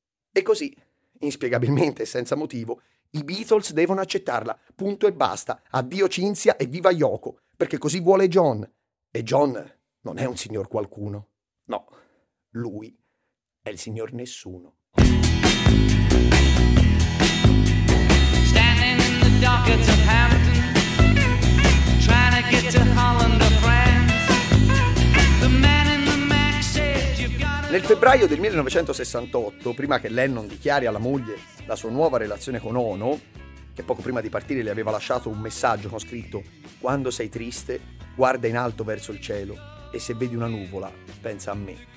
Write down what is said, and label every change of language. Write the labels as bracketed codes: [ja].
[it] E così, inspiegabilmente e senza motivo, i Beatles devono accettarla, punto e basta. Addio Cinzia e viva Yoko, perché così vuole John. E John non è un signor qualcuno. No, lui è il signor nessuno. [en] Standing in the dockets of Hampton, trying to get to Holland or France. The man in the Mac says you've got to... [it] Nel febbraio del 1968, prima che Lennon dichiari alla moglie la sua nuova relazione con Ono, che poco prima di partire le aveva lasciato un messaggio con scritto: quando sei triste, guarda in alto verso il cielo e se vedi una nuvola, pensa a me.